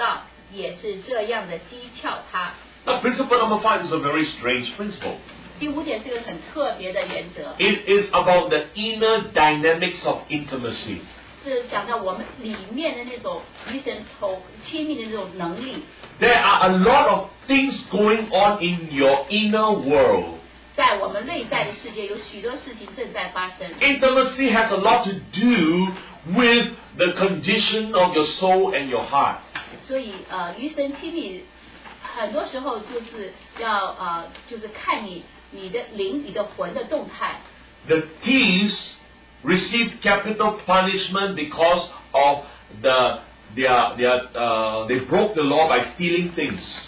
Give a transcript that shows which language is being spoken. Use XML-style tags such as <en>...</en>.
<zh>那和他同定的强盗也是这样的讥诮他。</zh> <en>Now principle number 5 is a very strange principle.</en> <zh>第五点是个很特别的原则。</zh> <en>It is about the inner dynamics of intimacy.</en> <zh>是讲到我们里面的那种与神亲密的那种能力。</zh> <en>There are a lot of things going on in your inner world.</en> <zh>在我们内在的世界有许多事情正在发生。</zh> <en>Intimacy has a lot to do with the condition of your soul and your heart.</en> <zh>所以, 余神亲密, 很多时候就是要, 就是看你, 你的灵, 你的魂的动态。</zh> <en>The thieves received capital punishment because of they broke the law by stealing things.</en>